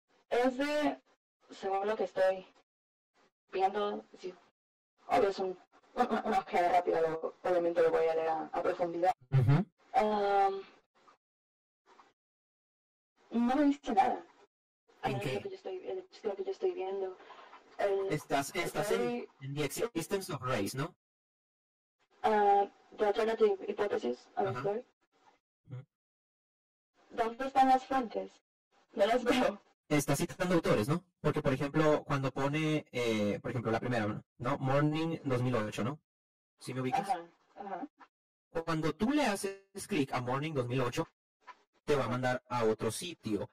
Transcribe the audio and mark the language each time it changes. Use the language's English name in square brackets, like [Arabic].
[Spanish] Es de, según lo que estoy viendo, sí, obvio, es una ojeada rápida, obviamente lo voy a leer a profundidad. Uh-huh. no me dice nada. ¿En qué? Lo que yo estoy viendo. Estás en [English] the existence of race, [Spanish] ¿no? [English] The alternative hypothesis, I'm sorry. [Spanish] ¿Dónde están las fuentes? No las veo. Está citando autores, ¿no? Porque, por ejemplo, cuando pone, por ejemplo, la primera, ¿no? Morning 2008, ¿no? ¿Sí me ubicas? Ajá. Cuando tú le haces clic a Morning 2008, te va a mandar a otro sitio.